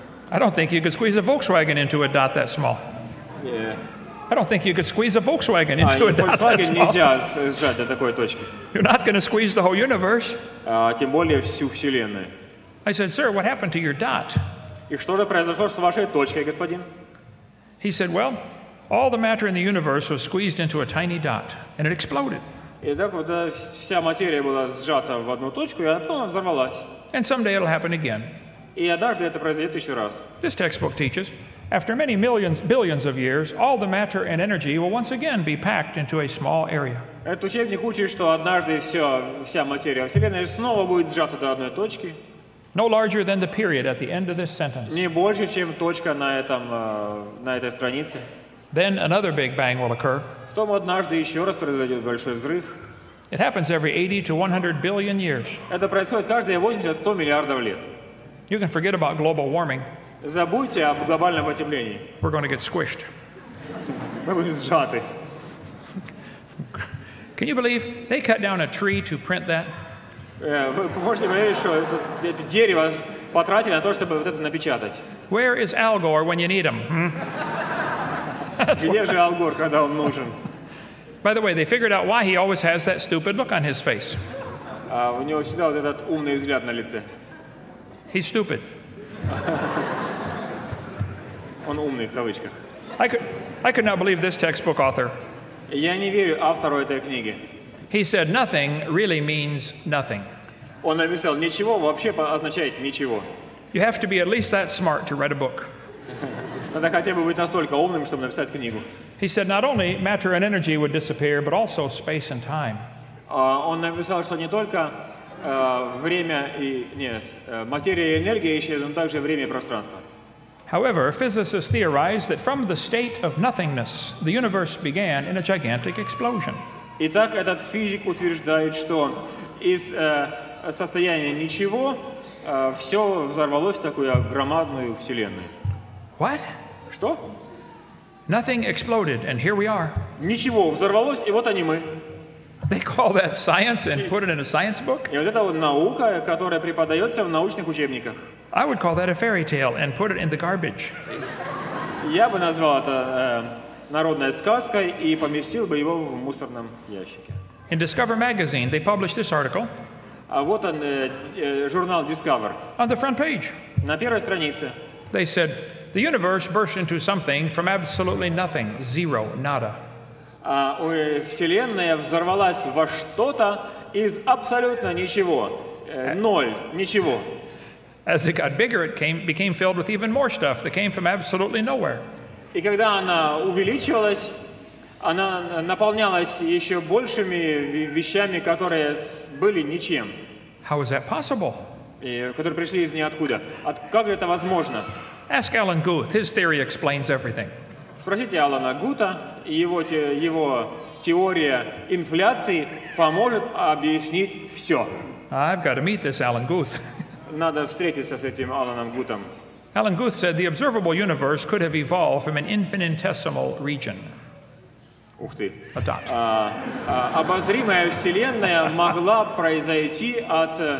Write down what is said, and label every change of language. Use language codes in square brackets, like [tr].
[en] I don't think you could squeeze a Volkswagen into a dot that small. Yeah. I don't think you could squeeze a Volkswagen into a dot that small. [ru] Нельзя сжать до такой точки. [en] You're not going to squeeze the whole universe. [ru] Тем более всю Вселенную. [en] I said, sir, what happened to your dot? [ru] И что же произошло с вашей точкой, господин? [en] He said, well, all the matter in the universe was squeezed into a tiny dot, and it exploded. [ru] И так вот вся материя была сжата в одну точку, и потом взорвалась. [en] And someday it'll happen again. [ru] И однажды это произойдет еще раз. [en] This textbook teaches. After many millions, billions of years, all the matter and energy will once again be packed into a small area. [ru] Этот учебник учит, что однажды вся материя Вселенной снова будет сжата до одной точки. [en] No larger than the period at the end of this sentence. [ru] Не больше, чем точка на этом, на этой странице. [en] Then another big bang will occur. [ru] Потом однажды еще раз произойдет большой взрыв. [en] It happens every 80 to 100 billion years. [ru] Это происходит каждые 80-100 миллиардов лет. [en] You can forget about global warming. [ru] Забудьте об глобальном потеплении. [en] We're going to get squished. [ru] Мы будем сжаты. [en] Can you believe they cut down a tree to print that? [ru] Вы можете поверить, что дерево потратили на то, чтобы вот это напечатать? [en] Where is Al Gore when you need him? [ru] Где же Al Gore, когда он нужен? [en] By the way, they figured out why he always has that stupid look on his face. [ru] У него всегда вот этот умный взгляд на лице. [en] He's stupid. [ru] Он умный, в кавычках. [en] I could not believe this textbook author. [ru] Я не верю автору этой книги. [en] He said nothing really means nothing. [ru] Он написал, ничего вообще означает ничего. [en] You have to be at least that smart to write a book. [ru] Надо хотя бы быть настолько умным, чтобы написать книгу. [en] He said not only matter and energy would disappear, but also space and time. [ru] Он написал, что не только время и нет, материя и энергия исчезнут, но также время и пространство. [en] However, physicists theorize that from the state of nothingness, the universe began in a gigantic explosion. [ru] Итак, этот физик утверждает, что из состояния ничего все взорвалось в такую громадную вселенную. [en] What? [ru] Что? [en] Nothing exploded, and here we are. [ru] Ничего взорвалось, и вот они мы. [en] They call that science and put it in a science book? [ru] И вот это вот наука, которая преподается в научных учебниках. [en] I would call that a fairy tale and put it in the garbage. [ru] Я бы назвал это народной сказкой и поместил бы его в мусорном ящике. [en] In Discover magazine, they published this article. [ru] А вот он, журнал Discover. [en] On the front page. [ru] На первой странице. [en] They said, the universe burst into something from absolutely nothing, zero, nada. [ru] Вселенная взорвалась во что-то из абсолютно ничего, ноль, ничего. [en] As it got bigger, it became filled with even more stuff that came from absolutely nowhere. [ru] И когда она увеличивалась, она наполнялась еще большими вещами, которые были ничем. [en] How is that possible? [ru] И которые пришли из ниоткуда. Как это возможно? [en] Ask Alan Guth. His theory explains everything. [ru] Спросите Алана Гута, его теория инфляции поможет объяснить все. [en] I've got to meet this Alan Guth. [ru] Надо встретиться с этим Аланом Гутом. [en] Alan Guth said the observable universe could have evolved from an infinitesimal region. [ru] Ух ты. [en] A dot. [ru] Обозримая вселенная могла произойти от...